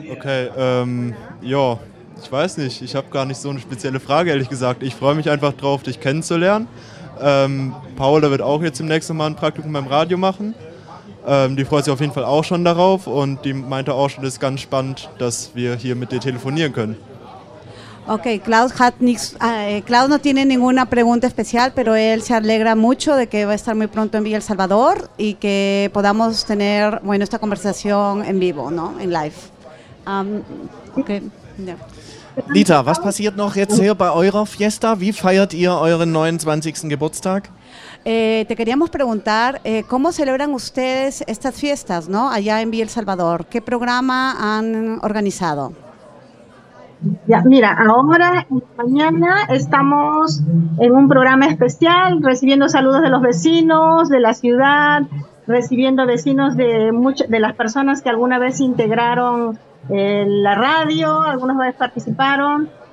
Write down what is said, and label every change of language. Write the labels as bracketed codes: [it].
[de] Okay, ja, ich weiß nicht, ich habe gar nicht so eine spezielle Frage, ehrlich gesagt. Ich freue mich einfach drauf, dich kennenzulernen. Paul, der wird auch jetzt im nächsten Mal ein Praktikum beim Radio machen. Die freut sich auf jeden Fall auch schon darauf und die meinte auch schon, es ist ganz spannend, dass wir hier mit dir telefonieren können. Okay, Klaus hat nichts. [es] Klaus no tiene ninguna pregunta especial, pero él se alegra mucho de que va a estar muy pronto en Villa El Salvador y que podamos tener, bueno, esta conversación en vivo, ¿no? En live. [en] Okay. Yeah. [de] Lita, was passiert noch jetzt hier bei eurer Fiesta? Wie feiert ihr euren 29. Geburtstag? [es] Te queríamos preguntar, ¿cómo celebran ustedes estas fiestas, ¿no? Allá en Villa El Salvador. ¿Qué programa han organizado? Ya, mira, ahora mañana estamos en un programa especial, recibiendo saludos de los vecinos de la ciudad, recibiendo vecinos de muchas de las personas que alguna vez integraron la radio, algunas veces participaron